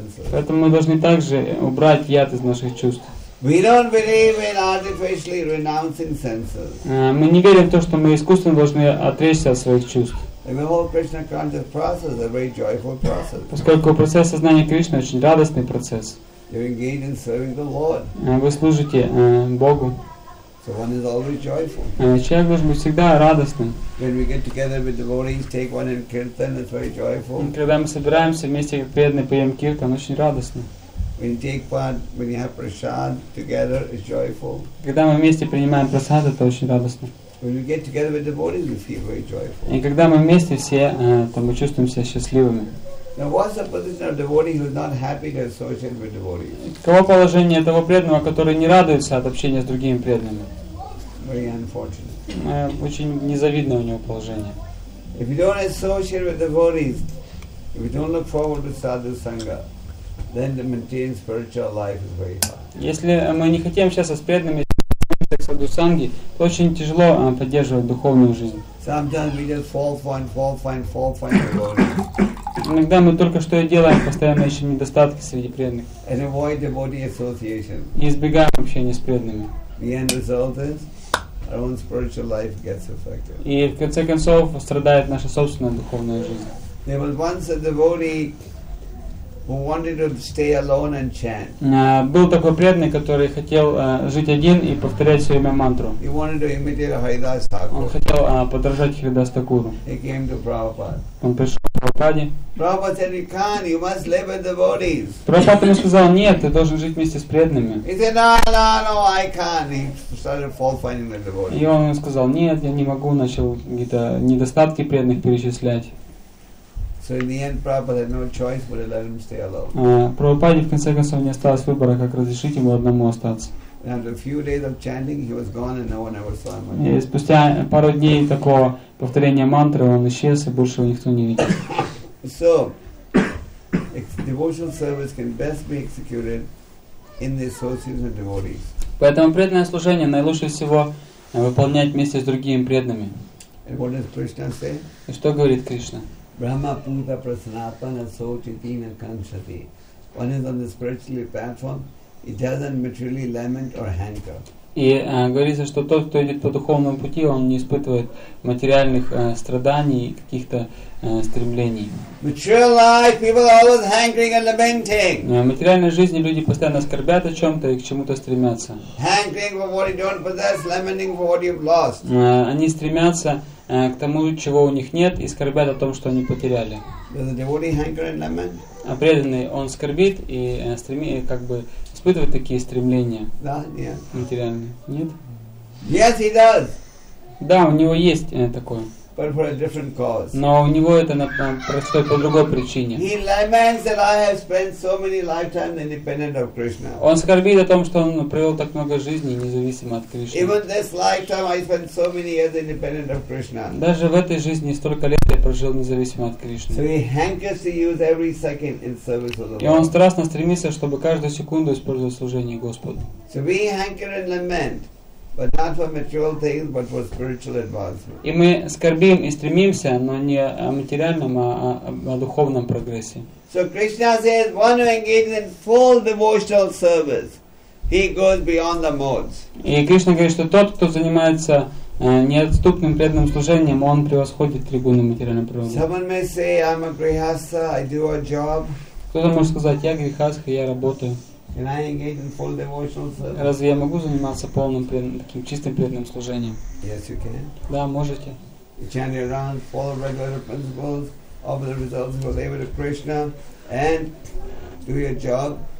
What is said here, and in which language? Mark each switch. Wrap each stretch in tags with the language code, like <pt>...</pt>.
<ru>Поэтому мы должны также убрать яд из наших чувств.</ru> <en>We don't believe in artificially renouncing senses.</en> <ru>Мы не верим в то, что мы искусственно должны отречься от своих чувств.</ru> <en>The whole Krishna conscious process is a very joyful process.</en> <ru>Поскольку процесс сознания Кришны очень радостный процесс.</ru> <en>You're engaged in serving the Lord.</en> <ru>Вы служите Богу.</ru> <en>So one is always joyful.</en> <ru>Человек должен быть всегда радостным.</ru> <en>When we get together with devotees, take one in kirtan, it's very joyful.</en> <ru>Когда мы собираемся вместе как преданные, поем киртан, очень радостно.</ru> <en>When you take part, when you have prasad together, it's joyful.</en> <ru>Когда мы вместе принимаем прасад, это очень радостно.</ru> <en>When you get together with devotees, we feel very joyful.</en> <ru>И когда мы вместе все, то мы чувствуем себя счастливыми.</ru> <en>Now, what's the position of devotee who is not happy to associate with devotees?</en> <ru>Каково положение того преданного, который не радуется от общения с другими преданными?</ru> <en>Very unfortunate.</en> <ru>Очень незавидное у него положение.</ru> <en>If you don't associate with devotees, if you don't look forward to sadhu sangha, then to maintain spiritual life is very hard.</en> <ru>Если мы не хотим сейчас с преданными саду санги, то очень тяжело поддерживать духовную жизнь.</ru> <en>Sometimes we just fall find devotees.</en> <ru>Иногда мы только что и делаем, постоянно ищем недостатки среди преданных.</ru> <en>And avoid devotee association.</en> <ru>И избегаем общения с преданными.</ru> <en>The end result is our own spiritual life gets affected.</en> <ru>И в конце концов страдает наша собственная духовная жизнь.</ru> <en>There was once a devotee who wanted to stay alone and chant.</en> <ru>Был такой преданный, который хотел жить один и повторять все время мантру.</ru> <en>He wanted to imitate Haridas Thakur.</en> <ru>Он хотел подражать Харидас Такуру.</ru> <en>He came to Prabhupada.</en> <ru>Он пришел к Прабхупаде.</ru> <en>Prabhupada said, "You can't. You must live with devotees."</en> <ru>Прабхупада ему сказал: "Нет, ты должен жить вместе с преданными."</ru> <en>He said, "No, I can't." He started fault finding the devotees.</en> <ru>И он ему сказал: "Нет, я не могу." Начал какие-то недостатки преданных перечислять.</ru> <en>So in the end, Prabhupada had no choice but to let him stay alone.</en> <ru>Прабхупаде в конце концов не осталось выбора, как разрешить ему одному остаться.</ru> <en>And after a few days of chanting, he was gone, and no one ever saw him again.</en> <ru>И спустя пару дней такого повторения мантры он исчез, и больше его никто не видел.</ru> <en>So, devotional service can best be executed in the association of devotees.</en> <ru>Поэтому преданное служение наилучше всего выполнять вместе с другими преданными.</ru> <en>And what does Krishna say?</en> <ru>И что говорит Кришна? Brahma Punta Prasanapana Sochitina Kanshati.</ru> <en>One is on the spiritual platform, he doesn't materially lament or hanker.</en> <ru>И говорится, что тот, кто идет по духовному пути, он не испытывает материальных страданий, каких-то стремлений.</ru> <en>Material life, people always hankering and lamenting.</en> <ru>В материальной жизни люди постоянно скорбят о чем-то и к чему-то стремятся.</ru> <en>Hankering for what you don't possess, lamenting for what you've lost.</en> <ru>Они стремятся к тому, чего у них нет, и скорбят о том, что они потеряли.</ru> <en>Does the devotee hanker and lament?</en> <ru>А преданный, он скорбит и стремится, как бы испытывает такие стремления. Да, нет. Материальные. Нет?</ru> <en>Yes, he does.</en> <ru>Да, у него есть такое.</ru> <en>But for a different cause.</en> <ru>Но у него это происходит по другой причине.</ru> <en>He laments that I have spent so many lifetimes independent of Krishna.</en> <ru>Он скорбит о том, что он провел так много жизней независимо от Кришны.</ru> <en>Even this lifetime I spent so many years independent of Krishna.</en> <ru>Даже в этой жизни столько лет я прожил независимо от Кришны.</ru> <en>So he hankers to use every second in service of the Lord.</en> <ru>И он страстно стремится, чтобы каждую секунду использовать служение Господу.</ru> <en>So we hanker and lament. But not for material things, but for spiritual advancement.</en> <ru>И мы скорбим и стремимся, но не о материальном, а о духовном прогрессе.</ru> <en>So Krishna says, one who engages in full devotional service, he goes beyond the modes.</en> <ru>И Кришна говорит, что тот, кто занимается неотступным преданным служением, он превосходит тригуны материальной природы.</ru> <en>Someone may say, I'm a grihastha, I do a job.</en> <ru>Кто-то может сказать, я грихастха, я работаю.</ru> <en>Can I engage in full devotional service?</en> <ru>Разве я могу заниматься полным таким чистым преданным служением?</ru> <en>Yes, you can.</en> <ru>Да, можете.</ru> <en>You chant your rounds, follow regular principles, offer the results of your labor to Krishna, and do your job.</en>